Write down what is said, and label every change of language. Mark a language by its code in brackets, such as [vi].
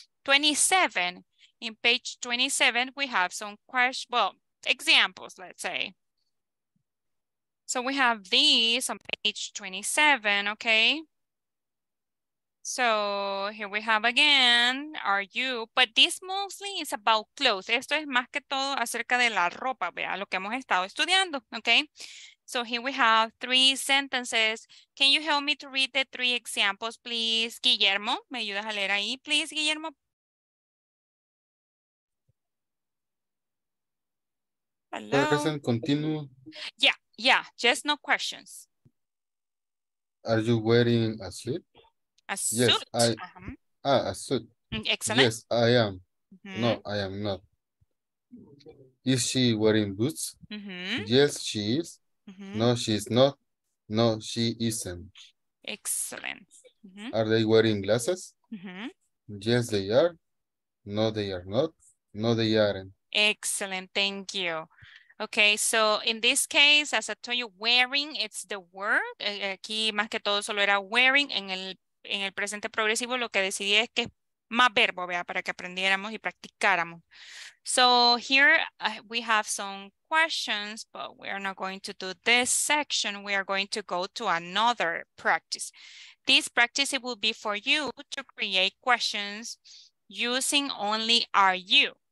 [en] 27. In page 27, we have some questions, well, examples, let's say. So we have these on page 27, okay? So here we have again, are you, but this mostly is about clothes. [es] Esto es más que todo acerca de la ropa, vea, lo que hemos estado estudiando, okay? [en] So here we have 3 sentences. Can you help me to read the 3 examples, please? [es] Guillermo, me ayudas a leer ahí, please, Guillermo. [en] Hello. Present continuous. Yeah, just no questions. Are you wearing a suit? A suit? Yes, a suit. Excellent. Yes, I am. Mm-hmm. No, I am not. Is she wearing boots? Mm-hmm. Yes, she is. Mm-hmm. No, she is not. No, she isn't. Excellent. Mm-hmm. Are they wearing glasses? Mm-hmm. Yes, they are. No, they are not. No, they aren't. Excellent. Thank you. Okay, so in this case, as I told you, wearing, it's the word. [es] Aquí más que todo solo era wearing. En el presente progresivo lo que decidí es que más verbo, ¿vea? Para que aprendiéramos y practicáramos. [en] So here we have some questions, but we are not going to do this section. We are going to go to another practice. This practice, it will be for you to create questions using only are you.